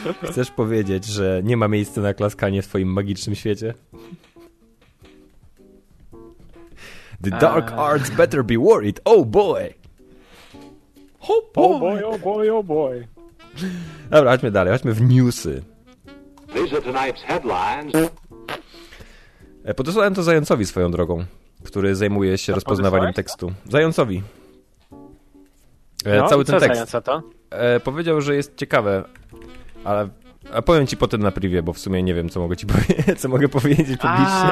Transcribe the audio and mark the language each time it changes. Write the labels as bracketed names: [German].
[Polish] Chcesz powiedzieć, że nie ma miejsca na klaskanie w twoim magicznym świecie? [English] The dark arts better be worried, oh boy! Oh boy, oh boy, oh boy, oh boy. [Polish] Dobra, chodźmy dalej, chodźmy w newsy. [English] These are tonight's headlines. [Polish] Podesłałem to Zającowi swoją drogą, który zajmuje się rozpoznawaniem tekstu. Zającowi. No, cały ten co tekst. Zająca to? Powiedział, że jest ciekawe, ale a powiem ci potem na privie, bo w sumie nie wiem, co mogę powiedzieć publicznie.